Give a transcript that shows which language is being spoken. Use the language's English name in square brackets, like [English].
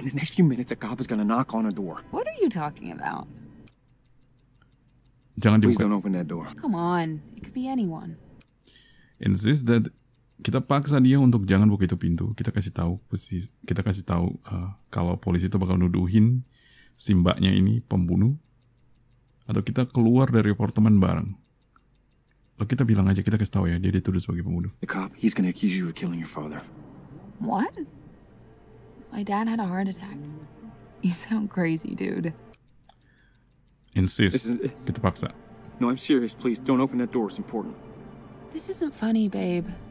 [English] In the next few minutes, a cop is gonna knock on her door. What are you talking about? [Indonesian] Jangan dibuka. [English] Please don't open that door. Come on, it could be anyone. Insist that [Indonesian] kita paksa dia untuk jangan buka itu pintu. Kita kasih tahu posisi. Kita kasih tahu kalau polisi itu bakal nuduhin si mbaknya ini pembunuh. Atau kita keluar dari apartemen bareng. Lalu kita bilang aja, kita kasih tahu ya, dia dituduh sebagai pembunuh. [English] The cop, he's gonna accuse you of killing your father. What? My dad had a heart attack. You sound crazy, dude. [Indonesian] Insist. Kita paksa. [English] No, I'm serious. Please, don't open that door. It's important. This isn't funny, babe.